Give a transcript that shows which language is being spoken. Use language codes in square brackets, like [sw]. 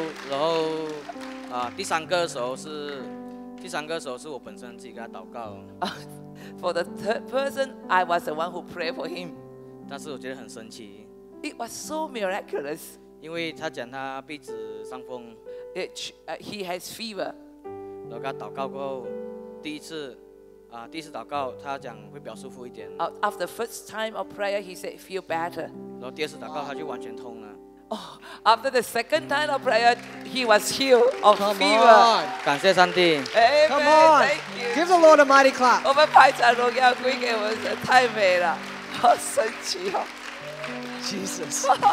[zh] 然后第三个的时候是我本身自己跟她祷告。 [en] For the third person, I was the one who prayed for him. [zh] 但是我觉得很神奇。 [en] It was so miraculous. [zh] 因为他讲他鼻子伤风。 [en] he has fever. [zh] 然后跟他祷告过后，第一次祷告，他讲会比较舒服一点。 [en] After the first time of prayer, he said feel better. [zh] 然后第二次祷告，他就完全通了。 [en] After the second time of prayer, he was healed of fever. [zh] 感谢上帝。 [en] Come on, give the Lord a mighty clap. [zh] 我们拍掌荣耀归给我们，太美了，好神奇哦。 [en] Jesus.